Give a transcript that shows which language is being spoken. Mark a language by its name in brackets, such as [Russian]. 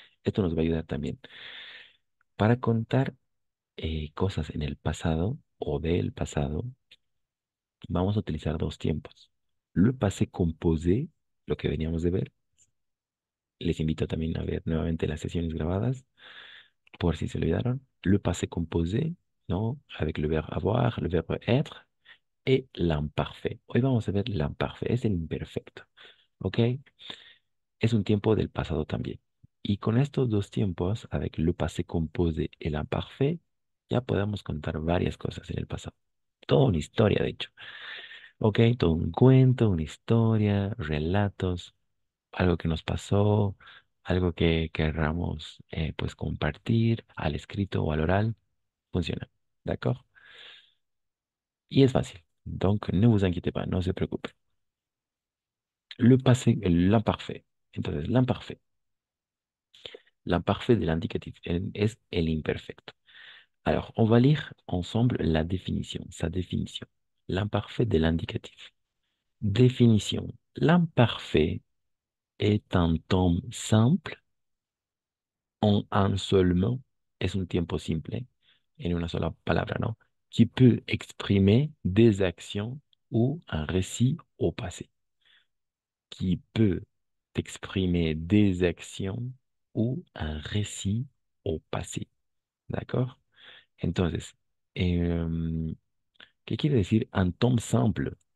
[Spanish] Esto nos va a ayudar también para contar cosas en el pasado o del pasado. Vamos a utilizar dos tiempos. Le passé composé, lo que veníamos de ver. Les invito también a ver nuevamente las sesiones grabadas, por si se olvidaron. [French] Le passé composé, ¿no? Avec le verbe avoir, le verbe être et l'imparfait. [Spanish] Hoy vamos a ver l'imparfait, es el imperfecto. ¿Ok? Es un tiempo del pasado también. Y con estos dos tiempos, [French] avec le passé composé et l'imparfait, [Spanish] ya podemos contar varias cosas en el pasado. Toda una historia, de hecho. ¿Ok? Todo un cuento, una historia, relatos, algo que nos pasó, algo que querramos pues compartir al escrito o al oral, funciona. ¿De acuerdo? Y es fácil. [French] Donc, ne vous inquiétez pas, [Spanish] no se preocupe. [French] Le passé, l'imparfait. Entonces, l'imparfait. L'imparfait de l'indicatif [Spanish] es el imperfecto. [French] Alors, on va lire ensemble la définition, sa définition. L'imparfait de l'indicatif. Définition. L'imparfait est un temps simple en un seul mot. [Spanish] Es un tiempo simple, en una sola palabra, ¿no? [French] Qui peut exprimer des actions ou un récit au passé. Qui peut exprimer des actions ou un récit au passé. D'accord? [Spanish] Entonces, ¿qué quiere decir [French] un temps simple?